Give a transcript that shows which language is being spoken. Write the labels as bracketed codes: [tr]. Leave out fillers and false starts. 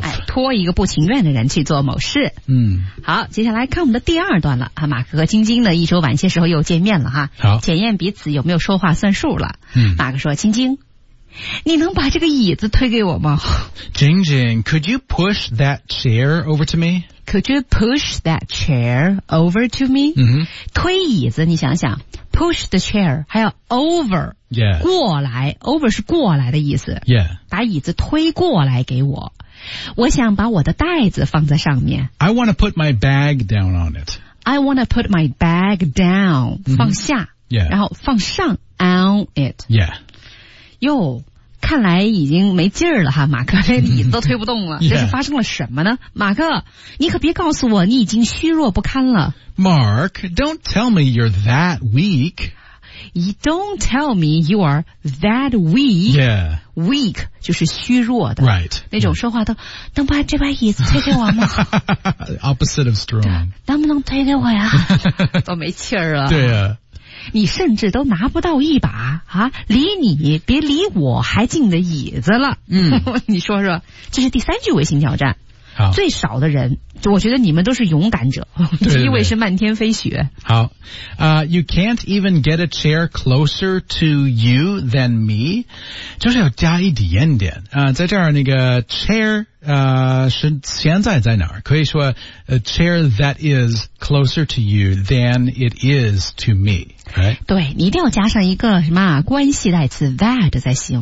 [zh] 哎，拖一个不情愿的人去做某事。好，接下来看我们的第二段了。马克和晶晶呢，一周晚些时候又见面了哈。好。检验彼此有没有说话算数了。马克说，晶晶。你能把这个椅子推给我吗 [en] Jing Jing, could you push that chair over to me? Could you push that chair over to me?、 [zh] 推椅子你想想 [en] push the chair, [zh] 还有 [en] over,、 yes. [zh] 过来 over 是过来的意思、 [en] yeah. [zh] 把椅子推过来给我我想把我的袋子放在上面 [en] I want to put my bag down on it. I want to put my bag down,、 [zh] 放下、 [en] yeah. [zh] 然后放上 [en] on it. Yeah. [zh] 哟，看来已经没劲儿了哈，马克，连椅子都推不动了。这是发生了什么呢？马克，你可别告诉我你已经虚弱不堪了。 [en] Mark, don't tell me you're that weak. You don't tell me you are that weak. Yeah. [zh] Weak 就是虚弱的。 [en] Right. [zh] 那种说话都、能把这把椅子推给我吗 [en] ？Opposite of strong. [zh] 能不能推给我呀？都没气儿了。对呀、你甚至都拿不到一把啊，离你别离我还近的椅子了。你说说，这是第三句微信挑战。好，最少的人，我觉得你们都是勇敢者。第一位是漫天飞雪。 [en] 好，you can't even get a chair closer to you than me， [zh] 就是要加一点点啊、在这儿那个 [en] chair。 [zh] 是现在在哪儿可以说 [en] a chair that is closer to you than it is to me、right? [zh] 对你一定要加上一个什么关系代词 that 才行、